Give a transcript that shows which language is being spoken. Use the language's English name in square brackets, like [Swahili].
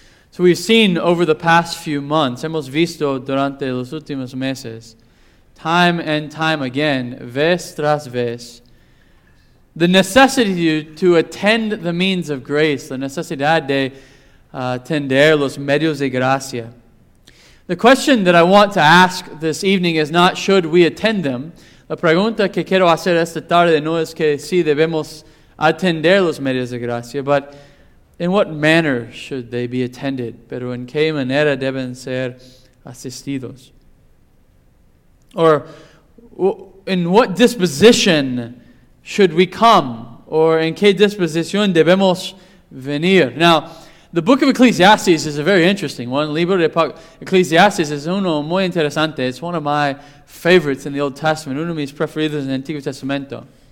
[English] So we've seen over the past few months, [Spanish] hemos visto durante los últimos meses, [English] time and time again, [Spanish] vez tras vez, [English] the necessity to attend the means of grace, [Spanish] la necesidad de atender los medios de gracia. [English] The question that I want to ask this evening is not should we attend them. [Spanish] La pregunta que quiero hacer esta tarde no es que si debemos atender los medios de gracia, [English] but in what manner should they be attended? [Spanish] Pero en qué manera deben ser asistidos? [English] Or in what disposition should we come? [Spanish] Or en qué disposición debemos venir? [English] Now, the book of Ecclesiastes is a very interesting one. [Spanish] Libro de Ecclesiastes es uno muy interesante. [English] It's one of my favorites in the Old Testament. [Spanish] Uno de mis preferidos en el Antiguo Testamento.